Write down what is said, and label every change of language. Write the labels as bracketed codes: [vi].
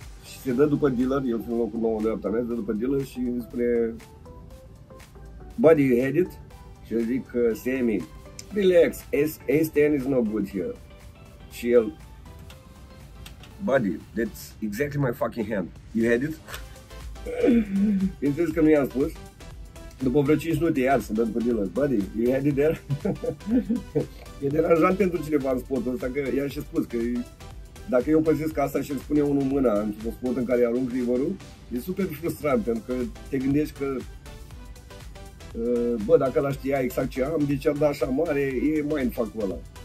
[ro] Și se dă după dealer, el fiind locul 9 de aptamea, se dă după dealer și îmi spune, [en] buddy, you had it? [ro] Și eu zic, [en] Sammy, relax, S10 is no good here. [ro] Și el, [en] buddy, that's exactly my fucking hand. You had it? [ro] Bineînțeles că nu i-am spus. După vreo 5 minute, iar să dă după dealer, [en] buddy, you had it there? [ro] E deranjant pentru cineva în spotul ăsta, că i-am și spus că dacă eu păzesc asta și îmi spune unul mâna într-un spot în care arunc river-ul, e super frustrant, pentru că te gândești că bă, dacă ăla știa exact ce am, deci am dat așa mare, e mindfuck-ul ăla.